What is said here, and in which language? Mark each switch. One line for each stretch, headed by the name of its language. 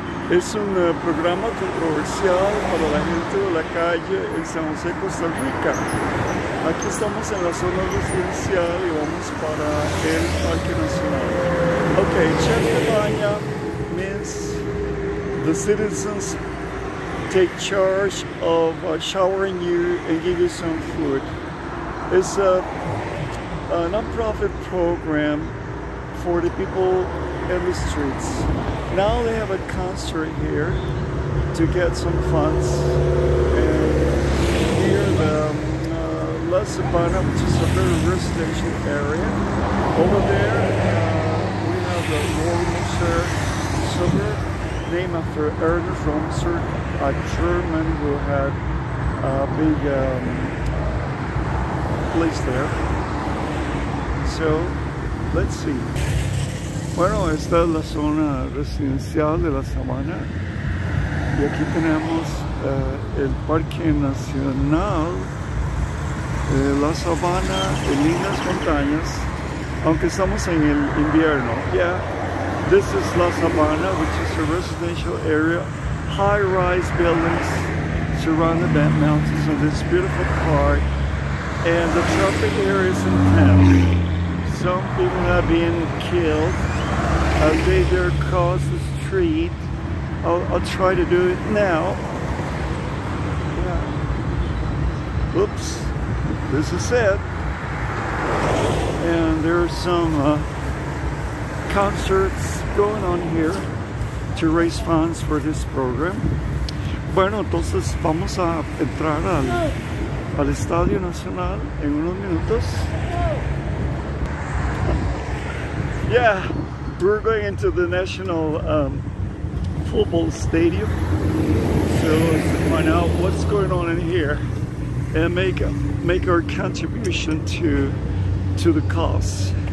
Spanish: Es un programa controversial para la gente de la calle en San José, Costa Rica. Aquí estamos en la zona residencial y vamos para el Parque Nacional.
English: Okay, Chepe de Baña means the citizens take charge of showering you and give you some food. It's a non-profit program for the people in the streets. Now they have a concert here to get some funds and hear the La Sabana, which is a very residential area. Over there we have the Romser suburb, named after Ernest Romser, a German who had a big place there. So, let's see.
Spanish: Bueno, esta es la zona residencial de La Sabana. Y aquí tenemos el Parque Nacional de La Sabana en lindas montañas, aunque estamos en el invierno.
English: Yeah, this is La Sabana, which is a residential area. High-rise buildings surround the mountains of this beautiful park. And the traffic here is intense. Some people have been killed as they are across the street. I'll try to do it now. Yeah. Oops, this is it. And there are some concerts going on here to raise funds for this program.
Spanish: Bueno, entonces vamos a entrar al Estadio Nacional en unos minutos.
English: Yeah, we're going into the national football stadium. So let's find out what's going on in here and make our contribution to the cause.